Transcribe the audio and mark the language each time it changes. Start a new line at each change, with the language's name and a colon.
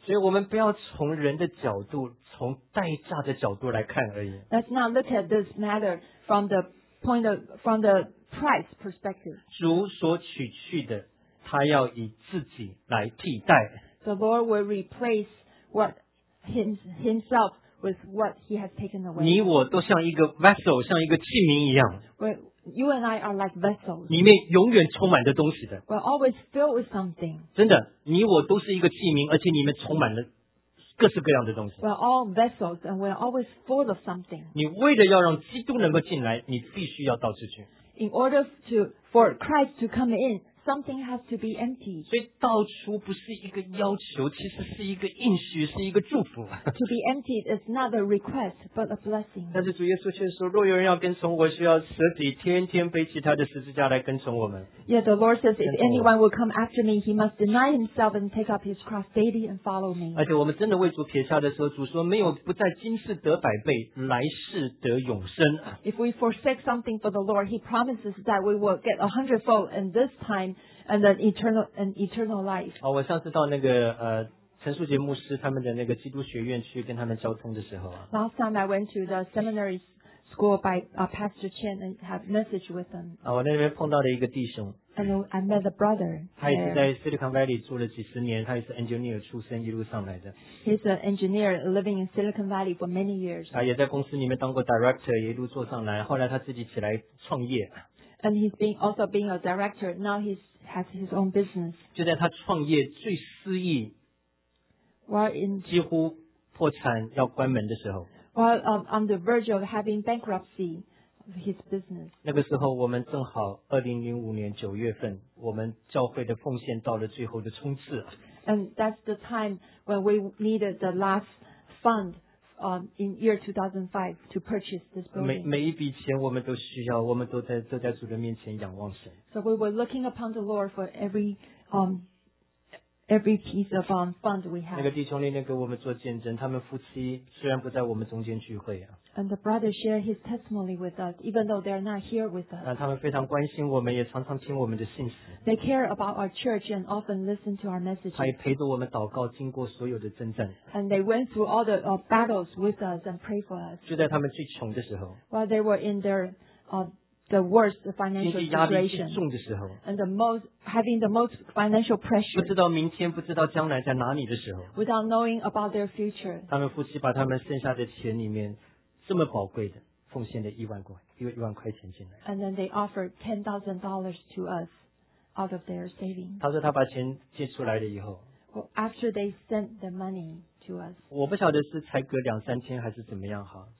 Chinese: 所以我们不要从人的角度，从代价的角度来看而已。
English: Let's not look at this matter from the point of, from the price perspective.
Chinese: 主所取去的，他要以自己来替代。
English: The Lord will replace what himself with what he has taken away.
Chinese: 你我都像一个 vessel, 像一个器皿一样。
English: We're, You and I are like vessels.
Chinese: 里面永远充满着东西的。
English: We're always filled with something.
Chinese: 真的，你我都是一个器皿，而且里面充满了各式各样的东西。
English: We're all vessels and we're always full of something.
Chinese: 你为了要让基督能够进来，你必须要到处去。
English: In order for Christ to come in, something has to be empty.
Chinese: 所以到处不是一个要求，其实是一个应许，是一个祝福。
English: To be emptied is not a request, but a blessing.
Chinese: 但是主耶稣却说，若有人要跟从我，需要舍己，天天背起他的十字架来跟从我们。
English: Yeah, the Lord says, if anyone will come after me, he must deny himself and take up his cross daily and follow me.
Chinese: 而且我们真的为主撇下的时候，主说没有不在今世得百倍，来世得永生。
English: If we forsake something for the Lord, he promises that we will get 100-fold in this time. And an eternal life.
Chinese: 我上次到那个陈树杰牧师他们的那个基督学院去跟他们交通的时候啊。
English: Last time I went to the seminary school by Pastor Chen and have message with them.
Chinese: 我那边碰到了一个弟兄。
English: And I met a brother.
Chinese: 他也是在 Silicon Valley 住了几十年，他也是 engineer 出身，一路上来的。
English: He's an engineer living in Silicon Valley for many years.
Chinese: 也在公司里面当过 director， 一路做上来，后来他自己起来创业。
English: And he's also being a director. Now he has his own business.
Chinese: 就在他创业最失意 几乎破产要关门的时候
English: on the verge of having bankruptcy of his business.
Chinese: 那个时候我们正好2005年9月份我们教会的奉献到了最后的冲刺
English: And that's the time when we needed the last fundin year 2005 to purchase this building.
Chinese: 每一笔钱我们都需要，我们都在主的面前仰望神。
English: So we were looking upon the Lord for every piece of fund we have.
Chinese: 那个弟兄那个我们做见证，他们夫妻虽然不在我们中间聚会啊。
English: And the brother shared his testimony with us, even though they are not here with us.
Chinese: 他们非常关心我们，也常常听我们的信息。
English: They care about our church and often listen to our messages.
Chinese: 他也陪着我们祷告，经过所有的征战。
English: And they went through all the battles with us and prayed for us.
Chinese: 就在他们最穷的时候。
English: While they were in their the worst financial situation.
Chinese: 重的时候。
English: And having the most financial pressure.
Chinese: 不知道明天，不知道将来在哪里的时候。
English: Without knowing about their future.
Chinese: 他们夫妻把他们剩下的钱里面。这么宝贵的奉献的一万块钱进来。
English: And then they offered $10,000 to us out of their savings.
Chinese: 他说他把钱借出来了以后。
English: Well, after they sent the money to us.
Chinese: 我不晓得是才隔两三天还是怎么样哈。